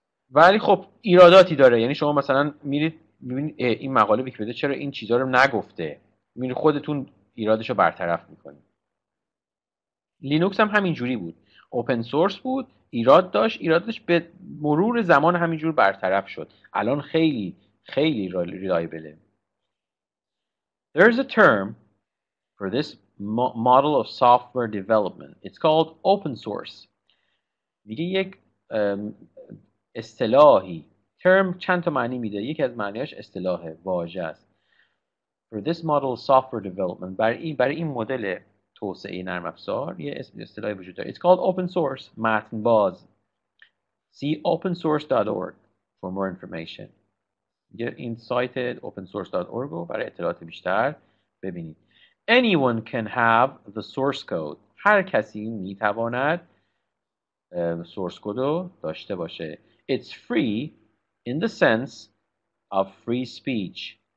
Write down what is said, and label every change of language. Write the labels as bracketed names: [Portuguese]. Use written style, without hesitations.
[Persian] ولی خب ایراداتی داره. یعنی شما مثلا میرید میبینید این مقاله ویکی‌پدیا چرا این چیزا رو نگفته؟ میرید خودتون ایرادش رو برطرف میکنید. لینوکس هم همین جوری بود. اوپن سورس بود، ایراد داشت، ایرادش به مرور زمان همین جور برطرف شد. الان خیلی خیلی ریلایبله. [English] There's a term for this model of software development. It's called open source. [Persian] میگه یک اصطلاحی. Term چند تا معنی میده. یکی از معنیاش اصطلاحه، واژه است. [English] For this model of software development. [Persian] برای این مدل توسعه نرم افزار یه اصطلاحی وجود داره. [English] It's called open source. [Persian] متن باز. [English] See opensource.org for more information. [Persian] این سایت opensource.org رو برای اطلاعات بیشتر ببینید. [English] Anyone can have the source code. [Persian] هر کسی میتواند سورس کد رو داشته باشه. [English] It's free in the sense of free speech.